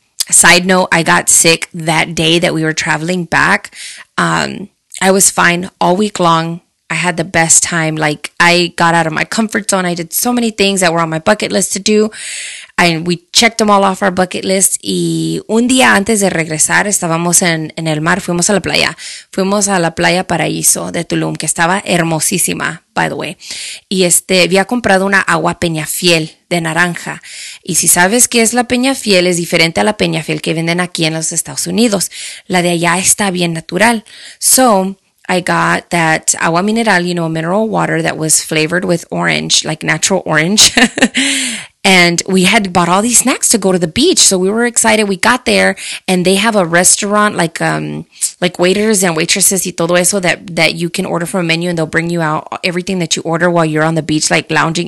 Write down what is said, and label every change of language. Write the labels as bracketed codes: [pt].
[en] Side note, I got sick that day that we were traveling back. I was fine all week long. I had the best time. Like, I got out of my comfort zone. I did so many things that were on my bucket list to do. And we checked them all off our bucket list. [es] Y un día antes de regresar, estábamos en el mar. Fuimos a la playa. Fuimos a la playa Paraíso de Tulum, que estaba hermosísima, [en] by the way. [es] Y había comprado una agua peña fiel de naranja. Y si sabes qué es la peña fiel, es diferente a la peña fiel que venden aquí en los Estados Unidos. La de allá está bien natural. [en] So I got that agua mineral, you know, mineral water that was flavored with orange, like natural orange. And we had bought all these snacks to go to the beach. So we were excited. We got there and they have a restaurant like waiters and waitresses [es] y todo eso [en] that you can order from a menu and they'll bring you out everything that you order while you're on the beach, like lounging.